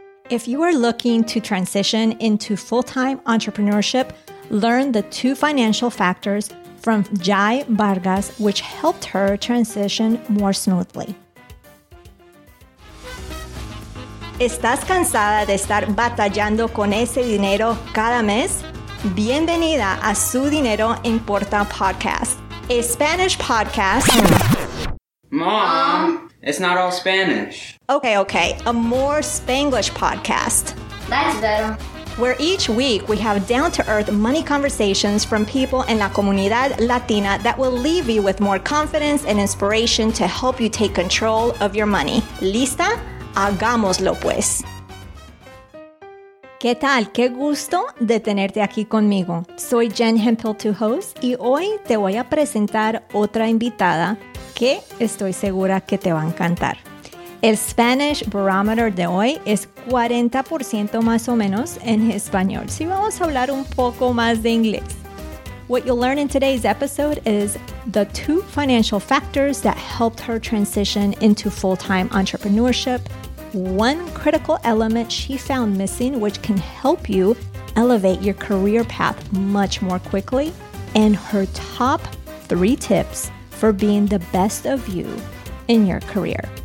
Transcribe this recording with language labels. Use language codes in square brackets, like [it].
[en] If you are looking to transition into full-time entrepreneurship, learn the two financial factors from Jai Vargas, which helped her transition more smoothly. [es] ¿Estás cansada de estar batallando con ese dinero cada mes? Bienvenida a Su Dinero Importa podcast, [en] a Spanish podcast. Mom, it's not all Spanish. Okay, a more Spanglish podcast. That's better. Where each week we have down-to-earth money conversations from people in [es] la comunidad latina [en] that will leave you with more confidence and inspiration to help you take control of your money. [es] ¿Lista? Hagámoslo pues. ¿Qué tal? Qué gusto de tenerte aquí conmigo. Soy Jen Hempel, tu host, y hoy te voy a presentar otra invitada que estoy segura que te va a encantar. El [en] Spanish barometer [es] de hoy es 40% más o menos en español. Sí, vamos a hablar un poco más de inglés. [en] What you'll learn in today's episode is the two financial factors that helped her transition into full-time entrepreneurship. One critical element she found missing, which can help you elevate your career path much more quickly, and her top three tips for being the best of you in your career.